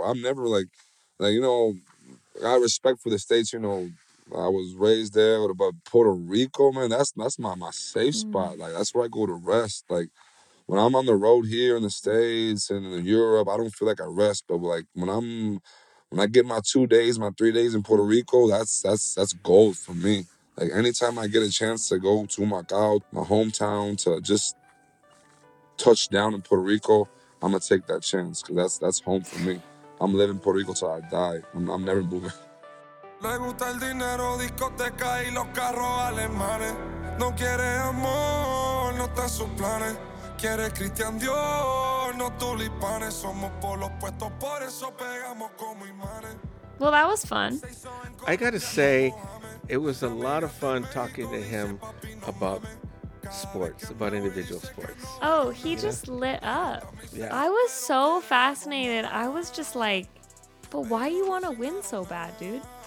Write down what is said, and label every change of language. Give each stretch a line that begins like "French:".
English: I'm never, like, you know, I got respect for the States, you know, I was raised there, but Puerto Rico, man, that's my safe spot, like, that's where I go to rest, like, when I'm on the road here in the States and in Europe, I don't feel like I rest, but, like, when I get my 2 days, my 3 days in Puerto Rico, that's gold for me. Like, anytime I get a chance to go to my hometown, to just touch down in Puerto Rico, I'm going to take that chance, because that's home for me. I'm living Puerto Rico till I die. I'm never moving.
Spanish: Le gusta el dinero, discoteca y los carros alemanes. No quiere amor, no está en sus planes. Quiere Cristian Dior, no tulipanes. Somos por los puestos, por eso pegamos como imanes.
English: Well, that was fun. I got to say, it was a lot of fun talking to him about sports, about individual sports. Oh, he just lit up. Yeah. I was so fascinated. I was just like, but why do you want to win so bad, dude?